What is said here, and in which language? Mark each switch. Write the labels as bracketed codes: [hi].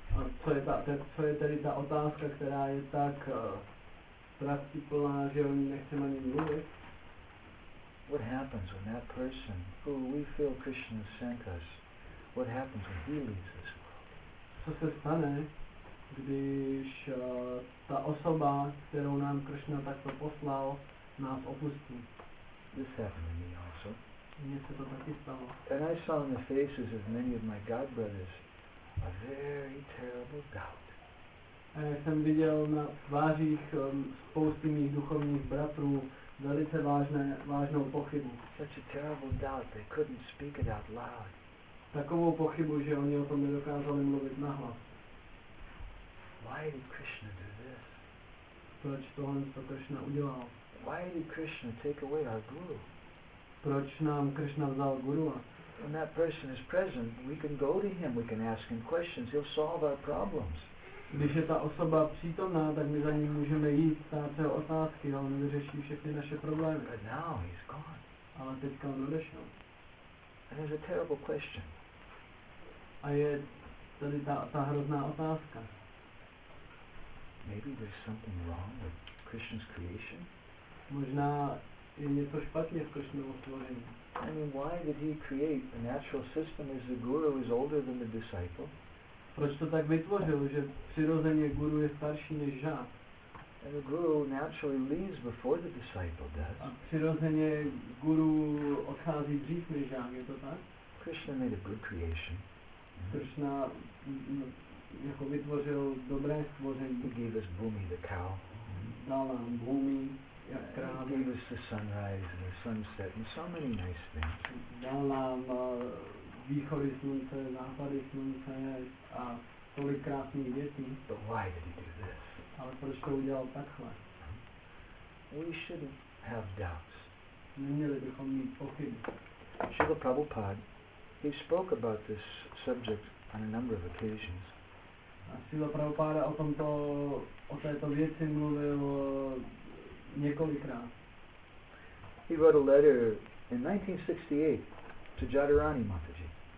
[cs] A co je tedy ta otázka, která je tak plná, že o ní nechceme ani mluvit. [en] What happens when that person who we feel Krishna sent us, what happens when he leaves this world? [cs] Co se stane, když ta osoba, kterou nám Krishna takto poslal, nás opustí? [en] This happened to me also. [cs] Mně se to taky stalo. [en] And I saw in the faces of many of my god brothers a very terrible doubt. [cs] A já jsem viděl na tvářích spousty mých duchovních bratrů velice vážnou pochybu. [en] Such a terrible doubt, they couldn't speak it out loud. [cs] Takovou pochybu, že oni o tom nedokázali mluvit nahlas. [en] Why did Krishna do this? [cs] Proč tohle to Krishna udělal? [en] Why did Krishna take away our guru? [cs] Proč nám Krishna vzal guru? [en] When that person is present, we can go to him, we can ask him questions, he'll solve our problems. [cs] Když je ta osoba přítomná, tak my za ní můžeme jít, ptát se otázky, ale on vyřeší všechny naše problémy. [en] But now he's gone. [cs] Ale teďka on odešel. [en] And there's a terrible question. [cs] A je tady ta hrozná otázka. [en] Maybe there's something wrong with Krishna's creation? [cs] Možná je něco špatně s Krishnovou stvořením. [en] I mean, why did he create a natural system as the guru is older than the disciple? [cs] Proč to tak vytvořil, že přirozeně guru je starší než žák? [en] And the guru naturally leaves before the disciple does. [cs] A přirozeně guru odchází dřív než žák, je to tak? [en] Krishna made a good creation. [cs] Krishna jako vytvořil dobré stvoření. [en] He gave us Bhumi, the cow. [cs] Dal nám Bhumi. [en] He gave us the sunrise and the sunset and so many nice things. [cs] Dal nám východy slunce, západy slunce a tolik krásných věcí. [en] But why did he do this? [cs] Ale proč to udělal takhle? [en] We should have doubts. [cs] Neměli bychom mít pochyby. [en] Srila Prabhupada, he spoke about this subject on a number of occasions. [cs] A Srila Prabhupada o tomto, o této věci mluvil několikrát. [en] He wrote a letter in 1968 to Jadurani Mataji.